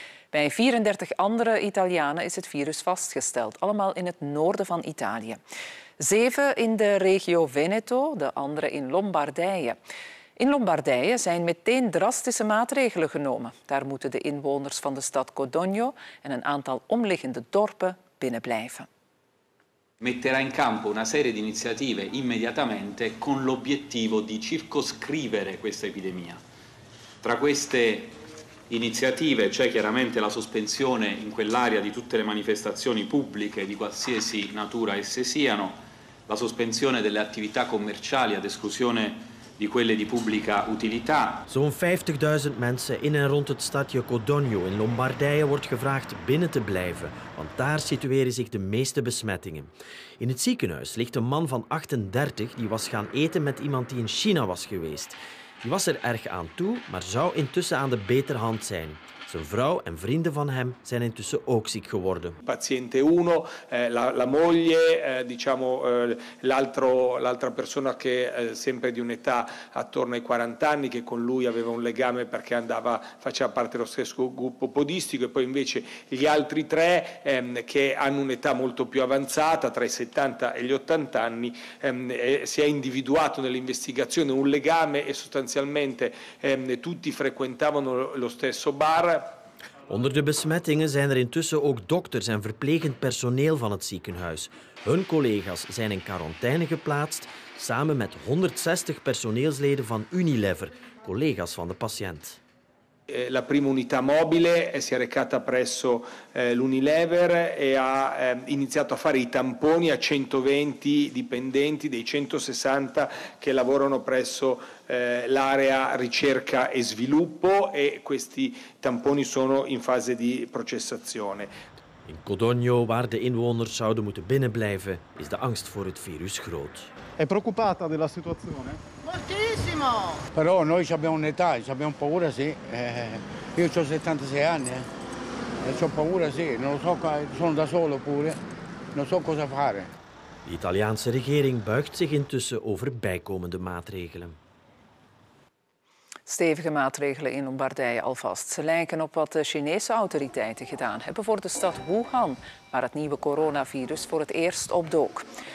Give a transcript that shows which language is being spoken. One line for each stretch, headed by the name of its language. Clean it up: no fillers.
Dutch: Bij 34 andere Italianen is het virus vastgesteld, allemaal in het noorden van Italië. 7 in de regio Veneto, de andere in Lombardije. In Lombardije zijn meteen drastische maatregelen genomen. Daar moeten de inwoners van de stad Codogno en een aantal omliggende dorpen binnenblijven.
Italian: Metterà in campo una serie di iniziative immediatamente con l'obiettivo di circoscrivere questa epidemia. Tra queste iniziative c'è chiaramente la sospensione in quell'area di tutte le manifestazioni pubbliche di qualsiasi natura esse siano, la sospensione delle attività commerciali ad esclusione di quelle di pubblica utilità.
Dutch: Zo'n 50.000 mensen in en rond het stadje Codogno in Lombardije wordt gevraagd binnen te blijven, want daar situeren zich de meeste besmettingen. In het ziekenhuis ligt een man van 38 die was gaan eten met iemand die in China was geweest. Die was er erg aan toe, maar zou intussen aan de beter hand zijn. Zijn vrouw en vrienden van hem zijn intussen ook ziek geworden.
Italian: Paziente 1, la moglie, diciamo l'altra persona che sempre di un'età attorno ai 40 anni che con lui aveva un legame perché andava faceva parte dello stesso gruppo podistico e poi invece gli altri tre che hanno un'età molto più avanzata tra i 70 e gli 80 anni si è individuato nell'investigazione un legame e sostanzialmente tutti frequentavano lo stesso bar.
Dutch: Onder de besmettingen zijn er intussen ook dokters en verplegend personeel van het ziekenhuis. Hun collega's zijn in quarantaine geplaatst, samen met 160 personeelsleden van Unilever, collega's van de patiënt.
Italian: La prima unità mobile si è recata presso l'Unilever e ha iniziato a fare i tamponi a 120 dipendenti dei 160 che lavorano presso l'area ricerca e sviluppo e questi tamponi sono in fase di processazione.
Dutch: In Codogno, waar de inwoners zouden moeten binnenblijven, is de angst voor het virus groot.
Italian: È preoccupata della situazione? Moltissimo! Però noi abbiamo un'età, abbiamo paura, sì. Io ho 76 anni, ho paura, sì. Non lo so, sono da solo pure. Non so cosa fare.
Dutch: De Italiaanse regering buigt zich intussen over bijkomende maatregelen. Stevige maatregelen in Lombardije alvast. Ze lijken op wat de Chinese autoriteiten gedaan hebben voor de stad Wuhan, waar het nieuwe coronavirus voor het eerst opdook.